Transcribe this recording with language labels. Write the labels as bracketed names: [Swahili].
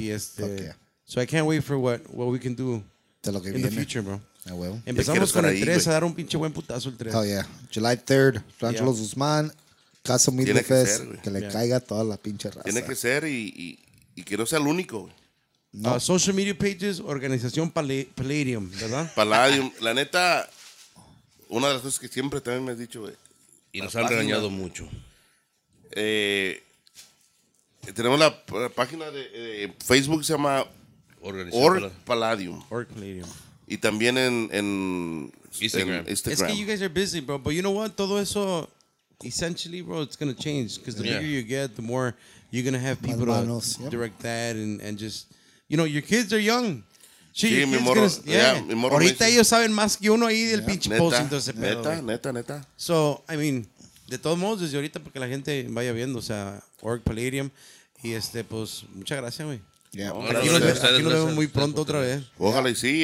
[English] You know, so I can't wait for what we can do in the future, bro. [Spanish] A huevo. Empezamos con el 3, a dar un pinche buen putazo el 3. [English] Oh, yeah. July 3rd, [Spanish] Franchelo Guzmán, Caso Mil de Fez, que le caiga toda la pinche raza. Tiene que ser y que no sea el único, güey. [English] No. Social media pages, [Spanish] organización [English] Palladium, ¿verdad? Palladium. [Spanish] La neta, una de las cosas que siempre también me has dicho, güey. Y nos han regañado mucho. Tenemos la página de Facebook, se llama Palladium. Org Palladium. Y también en Instagram. [English] It's [Spanish] que [English] you guys are busy, bro. But you know what? [Spanish] Todo eso, [English] essentially, bro, it's going to change. Because the bigger you get, the more you're going to have people to direct that and just... You know, your kids are young. [Spanish] Sí, mi morro. Ahorita ellos saben más que uno ahí del pinche posting. Neta. [English] So, I mean, [Spanish] de todos modos, desde ahorita, porque la gente vaya viendo, o sea, Org Palladium. Y este, pues, muchas gracias, güey. Aquí nos vemos muy pronto otra vez. Ojalá y sí.